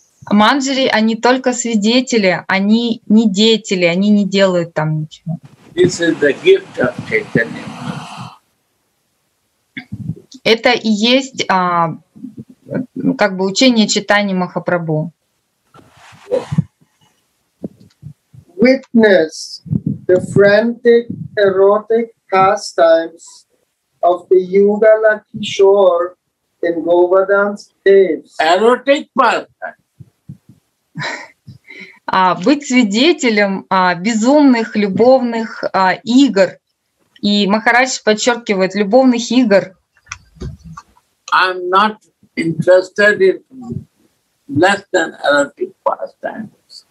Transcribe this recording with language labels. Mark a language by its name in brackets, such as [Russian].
[Russian] Манджари, они только свидетели, они не деятели, они не делают там ничего. [English] This is the gift of Chaitanya. [Russian] Это и есть как бы учение читания Махапрабху. [English] Witness the frantic erotic pastimes of the Yugala Kishore in Govardhan's caves. Erotic pastimes. [Russian] Быть свидетелем безумных любовных игр. И Махарадж подчеркивает любовных игр. [English] I'm not interested in less than erotic pastimes.